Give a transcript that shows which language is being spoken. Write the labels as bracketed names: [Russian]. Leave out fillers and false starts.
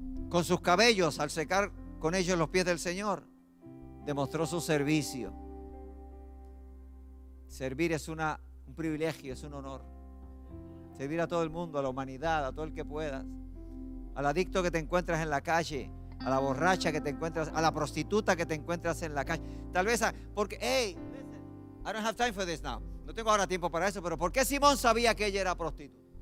[Spanish] Con sus cabellos, al secar con ellos los pies del Señor, demostró su servicio. Servir es un privilegio, es un honor. Servir a todo el mundo, a la humanidad, a todo el que puedas. Al adicto que te encuentras en la calle, a la borracha que te encuentras, a la prostituta que te encuentras en la calle. Tal vez, porque, [English] hey, I don't have time for this now. [Spanish] No tengo ahora tiempo para eso, pero ¿por qué Simón sabía que ella era prostituta?